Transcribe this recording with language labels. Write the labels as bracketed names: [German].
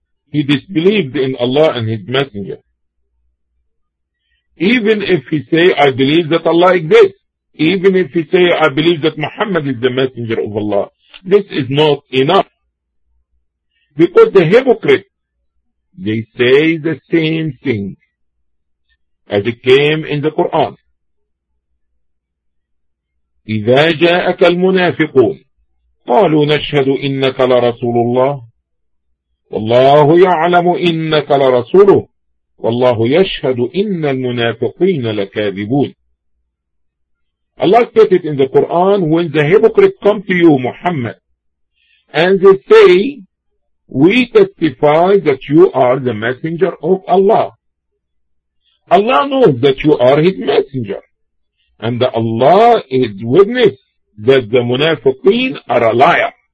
[English] He disbelieved in Allah and his messenger. Even if he say, I believe that Allah exists, even if he say, I believe that Muhammad is the messenger of Allah, this is not enough. Because the hypocrites, they say the same thing as it came in the Quran. [Arabic] إذا جاءك المنافقون قالوا نشهد إنك لرسول الله والله يعلم إنك لرسوله والله يشهد إن المنافقين لكاذبون. [English] Allah stated in the Quran, when the hypocrites come to you, Muhammad, and they say, we testify that you are the messenger of Allah. Allah knows that you are his messenger, and that Allah is witness that the munafiqeen are a liar.